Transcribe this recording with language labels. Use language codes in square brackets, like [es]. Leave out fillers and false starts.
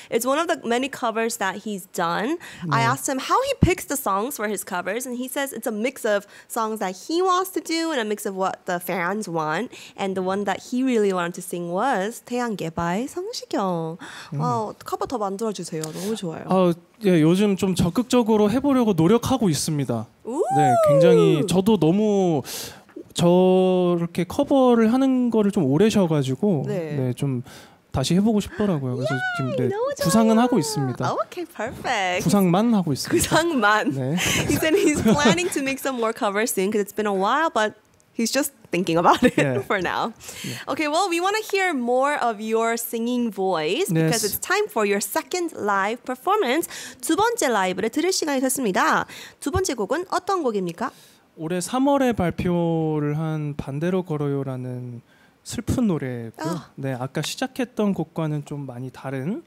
[en] It's one of the many covers that he's done. [ko] 네. [en] I asked him how he picks the songs for his covers, and he says it's a mix of songs that he wants to do and a mix of what the fans want. And the one that he really wanted to sing was 태양계 by 성시경. Wow, [ko] 커버 더 만들어주세요. 너무 좋아요. 예, 요즘 좀 적극적으로 해보려고 노력하고 있습니다. 오! 네, 굉장히 저도 너무... 저렇게 커버를 하는 거를 좀 오래 쉬어가지고 네. 네, 좀 다시 해보고 싶더라고요. 그래서 [en] Yay, [ko] 지금 네, 구상은 하고 있습니다. [en] Okay, perfect. [ko] 구상만 하고 있습니다. 구상만. 네. [en] He said he's planning to make some more covers soon because it's been a while, but he's just thinking about it yeah. for now. Yeah. Okay, well, we want to hear more of your singing voice yes. because it's time for your second live performance. [ko] 두 번째 라이브를 들을 시간이 됐습니다. 두 번째 곡은 어떤 곡입니까? 올해 3월에 발표를 한 반대로 걸어요라는 슬픈 노래고 네, 아까 시작했던 곡과는 좀 많이 다른